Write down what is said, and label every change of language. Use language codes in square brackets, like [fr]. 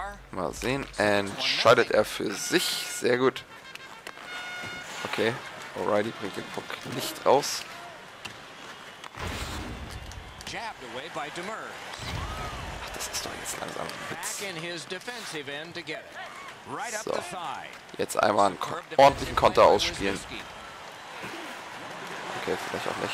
[de] Mal sehen. Entscheidet er für sich. Sehr gut. Okay. Alrighty, bringt den Puck nicht raus. [en] Jabbed away by Demers. [de] Ach, das ist doch jetzt langsam ein Witz. [en] Back in his defensive end to get it. Right up the thigh. [de] Jetzt einmal einen ordentlichen Konter ausspielen. Okay, vielleicht auch nicht.